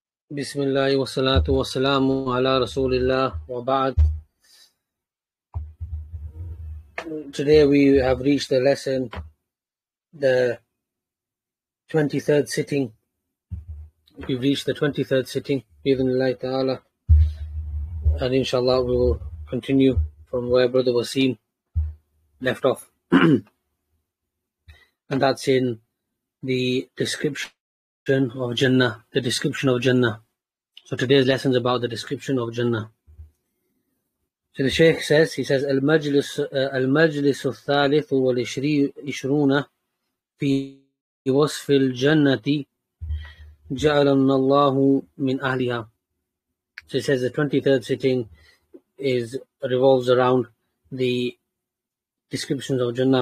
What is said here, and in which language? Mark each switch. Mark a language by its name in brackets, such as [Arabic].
[Arabic] بسم الله والصلاة والسلام على رسول الله وبعد. [English] Today we have reached the lesson, the 23rd sitting. We've reached the 23rd sitting, [Arabic] بإذن الله تعالى. [English] And inshallah we will continue from where Brother Wasim left off. And that's in the description of Jannah, the description of Jannah. So today's lesson is about the description of Jannah. So the Shaykh says, he says, [Arabic] المجلس الثالث والعشرون في وصف الجنة جعلنا الله من أهلها. [English] So he says the 23rd sitting revolves around the descriptions of Jannah.